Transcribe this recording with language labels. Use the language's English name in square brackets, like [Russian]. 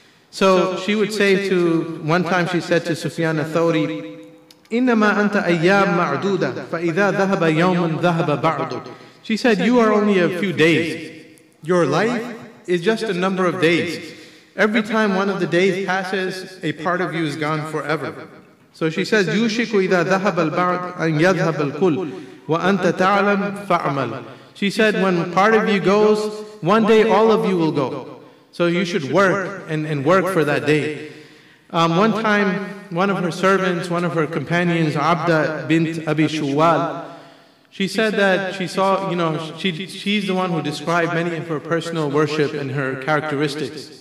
[English] So she would say to, one time she said to Sufyan al-Thawri, [Arabic] إِنَّمَا أَنْتَ أَيَّامٌ مَعْدُودَةٌ فَإِذَا ذَهَبَ يَوْمٌ ذَهَبَ بَعْضُ. [English] She said, you are only a few days. Your life is just a number of days. Every time one of the days passes, a part of you is gone forever. So she says, [Arabic] يُوشِكُ إِذَا ذَهَبَ الْبَعْضُ أَنْ يَذْهَبَ الْكُلُ وَأَنْتَ تَعْلَمْ فَأْعْمَلْ. [English] She said, when part of you goes, one day all of you will go. So you should work and work for that day. One time, one of her servants, one of her companions, Abda bint Abi Shuwal, she said that she saw, you know, she's the one who described many of her personal worship and her characteristics.